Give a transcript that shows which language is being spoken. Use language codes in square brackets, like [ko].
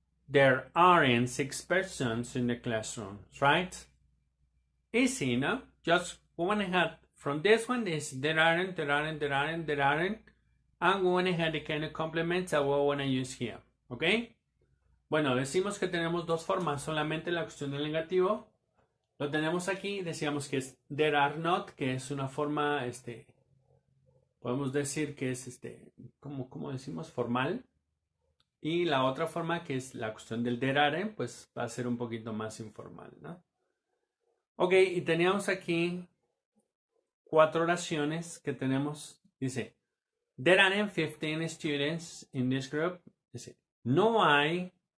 [en] There aren't six persons in the classroom, right? Easy, no? Just we want to have from this one is there aren't, there aren't, there aren't, there aren't. And we want to have the kind of complements that we want to use here, okay? [es] Bueno, decimos que tenemos dos formas, solamente la cuestión del negativo. Lo tenemos aquí, decíamos que es there are not, que es una forma, podemos decir que es ¿cómo decimos? Formal. Y la otra forma, que es la cuestión del there aren't, pues va a ser un poquito más informal, ¿no? Ok, y teníamos aquí cuatro oraciones que tenemos. [en] Dice, there aren't 15 students in this group. [es] Dice, no hay